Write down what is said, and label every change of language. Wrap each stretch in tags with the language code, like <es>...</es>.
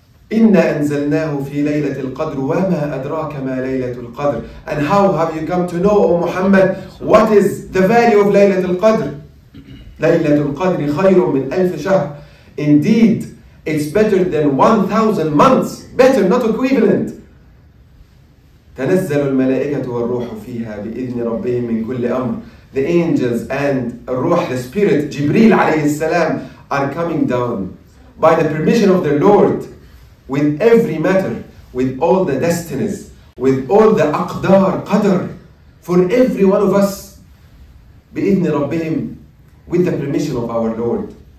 <ar>إِنَّا أَنزَلْنَاهُ فِي لَيْلَةِ الْقَدْرِ وَمَا أَدْرَاكَ مَا لَيْلَةُ الْقَدْرِ.</ar> <en>And how have you come to know, O Muhammad, what is the value of</en> <ar>ليلة القدر؟ ليلة القدر خير من ألف شهر.</ar> <en>Indeed, it's better than 1,000 months. Better, not equivalent.</en> <ar>تنزل الملائكة والروح فيها بإذن ربهم من كل أمر.</ar> <en>The angels and الروح, the spirit, جبريل عليه السلام, are coming down by the permission of their Lord. With every matter, with all the destinies, with all the aqdar, qadr, for every one of us,</en> <ar>بإذن ربهم,</ar> <en>with the permission of our Lord.</en>